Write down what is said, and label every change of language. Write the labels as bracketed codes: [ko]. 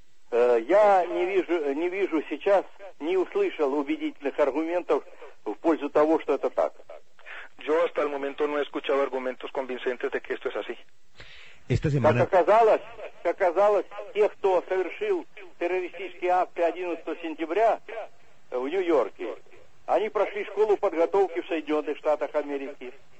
[ru] Я не вижу сейчас, не услышал убедительных аргументов в пользу того, что это так. [es] Yo hasta el momento no he escuchado argumentos convincentes de que esto es así. Esta semana... [ru] Как оказалось, те, кто совершил террористические акты 11 сентября в Нью-Йорке, они прошли школу подготовки в Соединенных Штатах Америки.